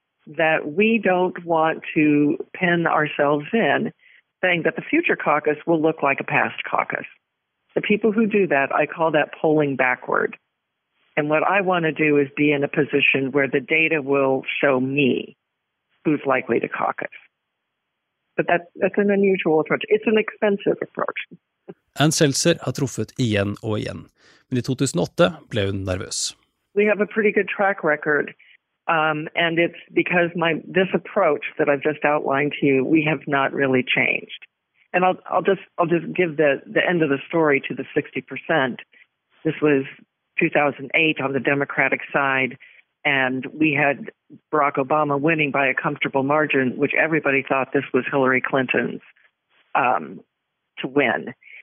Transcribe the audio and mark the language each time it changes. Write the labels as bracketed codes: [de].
[en] That we don't want to pin ourselves in saying that the future caucus will look like a past caucus. The people who do that, I call that polling backward. And what I want to do is be in a position where the data will show me who's likely to caucus. But that's an unusual approach. It's an expensive approach. [no] Ann Seltzer har truffet igjen og igjen. Men I 2008 ble hun nervøs. [en] We have a pretty good track record. And it's because this approach that I've just outlined to you, we have not really changed. And I'll just give the end of the story to the 60%. This was 2008 on the Democratic side, and we had Barack Obama winning by a comfortable margin, which everybody thought this was Hillary Clinton's to win.